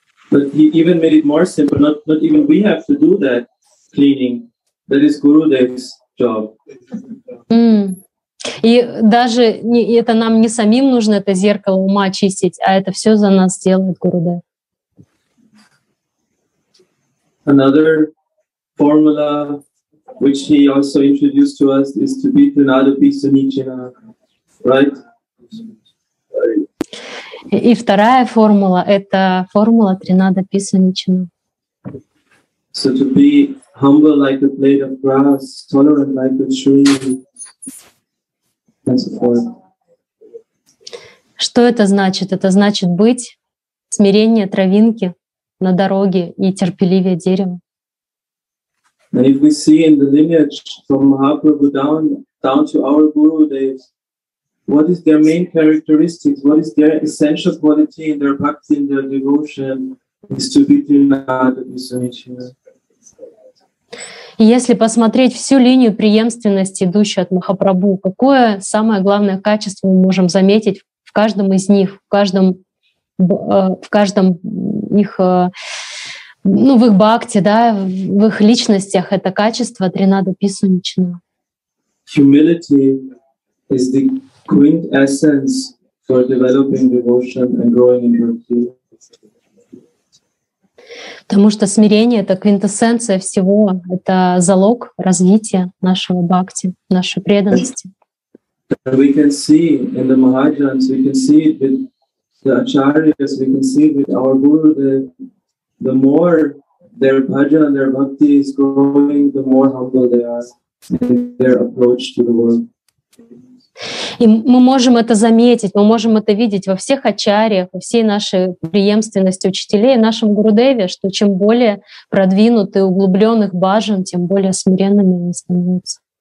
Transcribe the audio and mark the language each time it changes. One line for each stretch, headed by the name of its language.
English: But even made it more simple. Not even we have to do that cleaning. That is Gurudev's job.
Russian: И даже не, это нам не самим нужно это зеркало ума очистить, а это все за нас делает Гурудев.
English: Another formula which he also introduced to us is to be Tanadapi Sunichina, right?
Russian: И вторая формула — это формула Tanadapi Sunichina.
English: So to be humble like a blade of grass, tolerant like a tree, and so forth.
Russian: Что это значит? Это значит быть смирение травинки на дороге и терпеливее дерева.
English: And if we see in the lineage from Mahaprabhu down to our Gurudev, what is their main characteristics, what is their essential quality in their bhakti, in their devotion, is to be Trinadapi Sunichina.
Russian: Если посмотреть всю линию преемственности, идущую от Махапрабху, какое самое главное качество мы можем заметить в каждом из них, в каждом их... Ну, в их бхакти, да, в их личностях это качество Tanadapi Sunichina.
English: Humility is the quintessence for developing devotion and growing in bhakti.
Russian: Потому что смирение — это квинтэссенция всего, это залог развития нашего бхакти, нашей преданности.
English: We can see in the Mahajans, we can see it with the Acharyas, we can see it with our Guru, the more their bhajan and their bhakti is growing, the more humble they are in their approach to the world.
Russian: И мы можем это заметить, мы можем это видеть во всех ачарьях, во всей нашей преемственности учителей, в нашем Гурудеве, что чем более продвинут и углублён их бхаджан, тем более смиренными они становятся.